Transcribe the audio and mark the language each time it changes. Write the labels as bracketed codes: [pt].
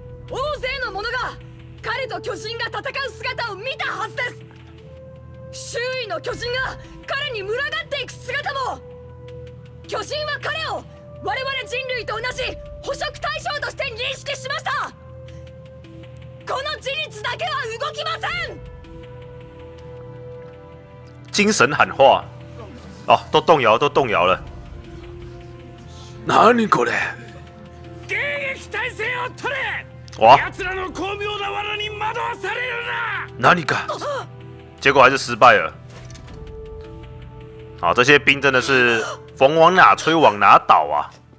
[ja] 大勢の者が彼と巨人が戦う姿を見たはずです。周囲の巨人が彼に群がっていく姿も。巨人は彼を我々人類と同じ捕食対象として認識しました。この事実だけは動きません。 [zh] 精神喊话哦，都动摇都动摇了。 [ja] 何これ？迎撃態勢を取れ。哇，奴らの巧妙な罠に惑わされるな。何か？ [zh] 结果还是失败了。好，这些兵真的是风往哪吹往哪倒啊！